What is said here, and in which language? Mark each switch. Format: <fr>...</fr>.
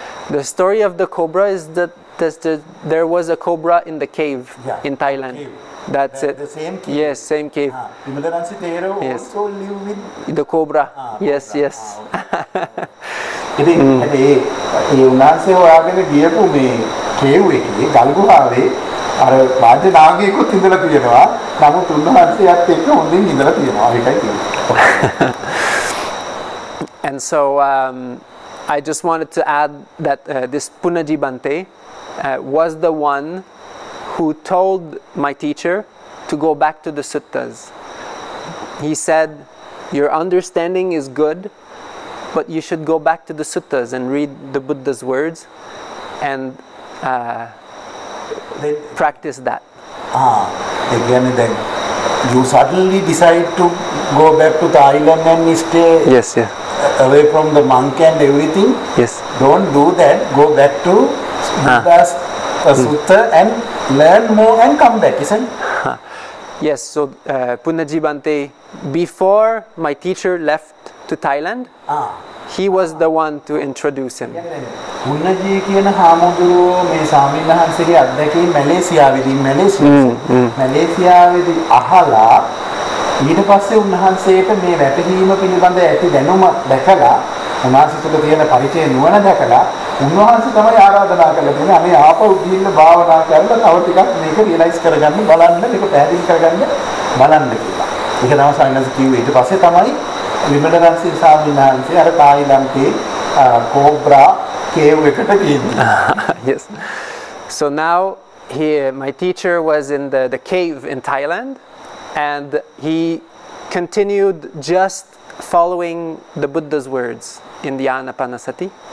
<en>The story of the cobra is that there was a cobra in the cave in Thailand. Cave. That's it. The same cave. Yes, same cave. Vimalaramsi Thero also live with the cobra. Yes, cobra. Yes.</en> <si>ඉතින් ඒ උනාසේ හොයාගෙන ගියපු මේ cave එකේ ගල් ගුහාවේ අර වාද්‍ය නාගයෙකුත් ඉඳලා තියෙනවා. නමුත් උන්වහන්සේත් එක්ක හොඳින් ඉඳලා තියෙනවා. ඒකයි තියෙන්නේ.</si> <en>And so I just wanted to add that this Punaji Bhante was the one who told my teacher to go back to the suttas. He said, your understanding is good, but you should go back to the suttas and read the Buddha's words and practice that. Ah, again and then. You suddenly decide to go back to Thailand and stay away from the monk and everything. Yes. Don't do that. Go back to Buddha's sutta and learn more and come back, isn't it? Yes, so Punaji Bhante, before my teacher left to Thailand, he was the one to introduce him.</en> <si>Punaji කියන හාමුදුරුව මේ ස්වාමීන් වහන්සේගේ අධ්‍යක්ෂින් මැලේසියාවේදී මැලේසියාවේදී අහලා ඊට පස්සේ උන්වහන්සේට මේ වැටහීම පිළිබඳ ඇති දැනුම දැකලා උන්වහන්සේට තියෙන පරිචය නුවණ දැකලා උන්වහන්සේ තමයි ආරාධනා කළේ මේ අනේ ආපහු ගිහින් භාවනා කරලා තව ටිකක් මේක රියලයිස් කරගන්න බලන්න මේක පැහැදිලි කරගන්න බලන්න කියලා. ඒක තමයි ස්වාමීන් වහන්සේ කිව්වේ. ඊට පස්සේ තමයි විමලරන්සි ස්වාමීන් වහන්සේ අර තායිලන්තේ කෝබ්‍රා කේව් එකට ගියේ.</si> <en>Yes. So now my teacher was in the cave in Thailand and he continued just following the Buddha's words in the Anapanasati.</en>